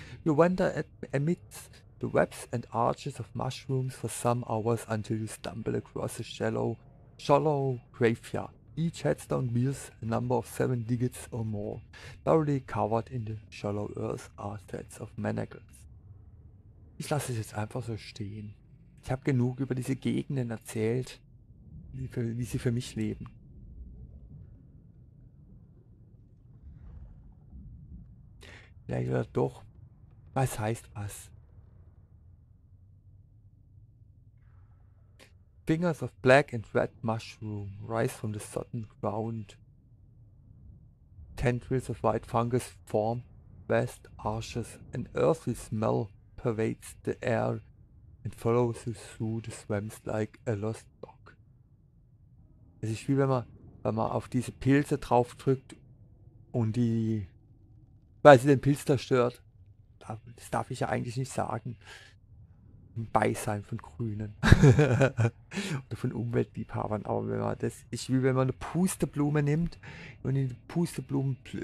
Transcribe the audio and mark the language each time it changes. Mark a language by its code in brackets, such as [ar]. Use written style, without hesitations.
[en] You wander amidst the webs and arches of mushrooms for some hours until you stumble across a shallow graveyard. Each headstone bears a number of 7 digits or more. Thoroughly covered in the shallow earth are sets of manacles. [de] Ich lasse es jetzt einfach so stehen. Ich habe genug über diese Gegenden erzählt, wie sie für mich leben. Vielleicht oder doch, was heißt was? [en] Fingers of black and red mushroom rise from the sodden ground. Tendrils of white fungus form vast arches. An earthy smell pervades the air and follows you through the swamps like a lost dog. [de] Es ist wie wenn man auf diese Pilze drauf drückt und die, weil sie den Pilz zerstört. Das darf ich ja eigentlich nicht sagen. Ein Beisein von Grünen oder von Umweltliebhabern, aber wenn man das ist wie wenn man eine Pusteblume nimmt und in die Pusteblumen